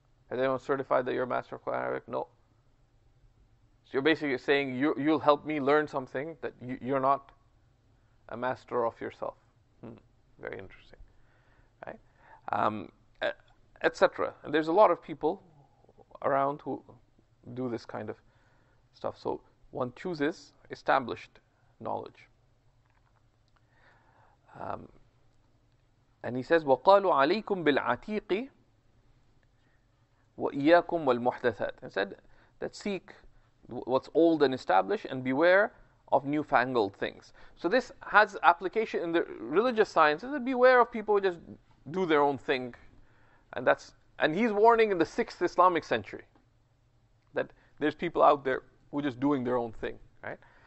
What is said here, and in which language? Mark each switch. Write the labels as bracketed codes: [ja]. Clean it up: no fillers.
[en] Has anyone certified that you're a master of Quranic Arabic? No. So you're basically saying, you'll help me learn something that you're not a master of yourself. Very interesting. Right? Etc. And there's a lot of people around who do this kind of stuff. So one chooses established knowledge. And he says, [ar] وَقَالُوا عَلَيْكُمْ بِالْعَتِيقِ وَإِيَّاكُمْ وَالْمُحْدَثَاتِ. [en] He said that seek what's old and established and beware of newfangled things. So this has application in the religious sciences, that beware of people who just do their own thing. And that's, and he's warning in the 6th Islamic century, that there's people out there who are just doing their own thing, right?